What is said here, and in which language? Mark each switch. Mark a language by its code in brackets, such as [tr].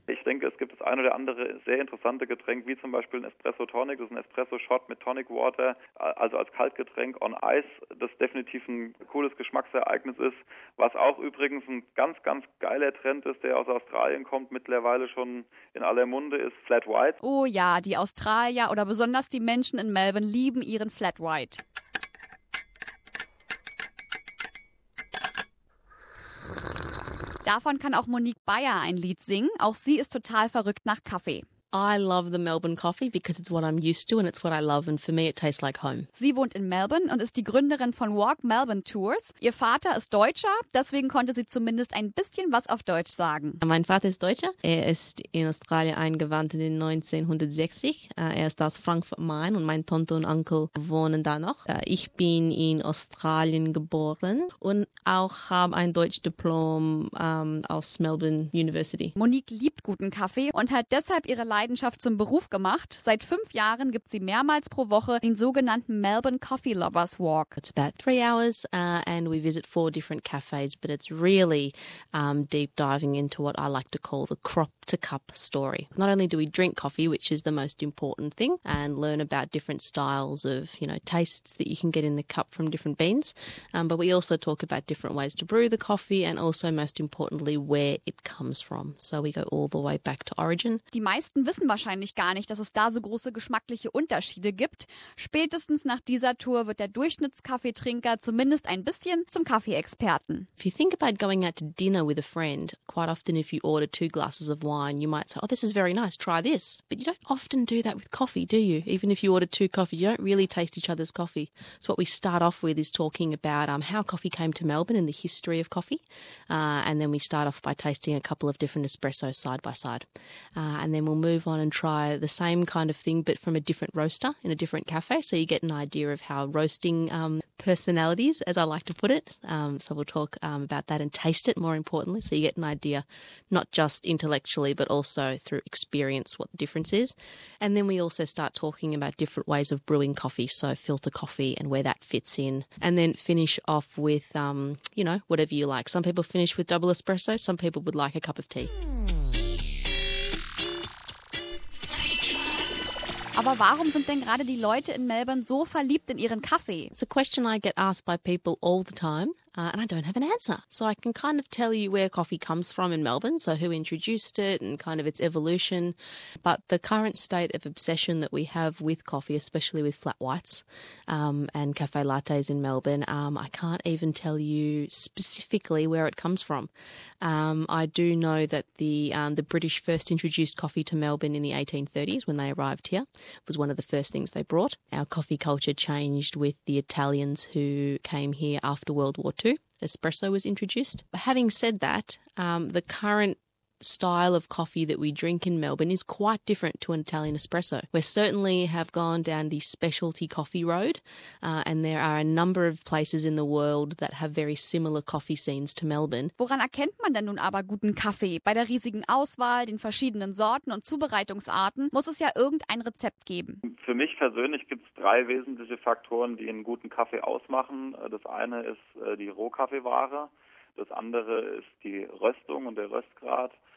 [de] Ich denke, es gibt das ein oder andere sehr interessante Getränk, wie zum Beispiel ein Espresso Tonic, das ist ein Espresso Shot mit Tonic Water, also als Kaltgetränk on Ice, das definitiv ein cooles Geschmacksereignis ist, was auch übrigens ein ganz, ganz geiler Trend ist, der aus Australien kommt, mittlerweile schon in aller Munde, ist Flat White. Oh ja, die Australier oder besonders die Menschen in Melbourne lieben ihren Flat White. Davon kann auch Monique Bayer ein Lied singen. Auch sie ist total verrückt nach Kaffee. [en] I love the Melbourne coffee because it's what I'm used to and it's what I love and for me it tastes like home. [de] Sie wohnt in Melbourne und ist die Gründerin von Walk Melbourne Tours. Ihr Vater ist Deutscher, deswegen konnte sie zumindest ein bisschen was auf Deutsch sagen. Mein Vater ist Deutscher. Er ist in Australien eingewandert in 1960. Er ist aus Frankfurt Main und mein Tante und Onkel wohnen da noch. Ich bin in Australien geboren und auch habe ein Deutschdiplom aus Melbourne University. Monique liebt guten Kaffee und hat deshalb ihre Leidenschaft zum Beruf gemacht. Seit 5 Jahren gibt sie mehrmals pro Woche den sogenannten Melbourne Coffee Lovers Walk. [en] It's about 3 hours and we visit 4 different cafes, but it's really deep diving into what I like to call the crop to cup story. Not only do we drink coffee, which is the most important thing, and learn about different styles of, you know, tastes that you can get in the cup from different beans, but we also talk about different ways to brew the coffee and also most importantly where it comes from. So we go all the way back to origin. [de] Die meisten wissen wahrscheinlich gar nicht, dass es da so große geschmackliche Unterschiede gibt. Spätestens nach dieser Tour wird der Durchschnittskaffeetrinker zumindest ein bisschen zum Kaffeeexperten. [en] If you think about going out to dinner with a friend, quite often if you order 2 glasses of wine, you might say, oh, this is very nice, try this. But you don't often do that with coffee, do you? Even if you order 2 coffees, you don't really taste each other's coffee. So what we start off with is talking about how coffee came to Melbourne and the history of coffee. And then we start off by tasting a couple of different espressos side by side. And then we'll move on and try the same kind of thing, but from a different roaster in a different cafe. So you get an idea of how roasting personalities, as I like to put it. So we'll talk about that and taste it, more importantly. So you get an idea, not just intellectually, but also through experience, what the difference is. And then we also start talking about different ways of brewing coffee. So filter coffee and where that fits in. And then finish off with, you know, whatever you like. Some people finish with double espresso. Some people would like a cup of tea. [de] Aber warum sind denn gerade die Leute in Melbourne so verliebt in ihren Kaffee? [en] It's a question I get asked by people all the time. And I don't have an answer. So I can kind of tell you where coffee comes from in Melbourne, so who introduced it and kind of its evolution. But the current state of obsession that we have with coffee, especially with flat whites and cafe lattes in Melbourne, I can't even tell you specifically where it comes from. I do know that the British first introduced coffee to Melbourne in the 1830s when they arrived here. It was one of the first things they brought. Our coffee culture changed with the Italians who came here after World War II. Espresso was introduced. Having said that, the current style of coffee that we drink in Melbourne is quite different to an Italian espresso. We certainly have gone down the specialty coffee road, and there are a number of places in the world that have very similar coffee scenes to Melbourne. [de] Woran erkennt man denn nun aber guten Kaffee? Bei der riesigen Auswahl, den verschiedenen Sorten und Zubereitungsarten muss es ja irgendein Rezept geben. Für mich persönlich gibt es 3 wesentliche Faktoren, die einen guten Kaffee ausmachen. Das eine ist die Rohkaffeeware. Das andere ist die Röstung und der Röstgrad.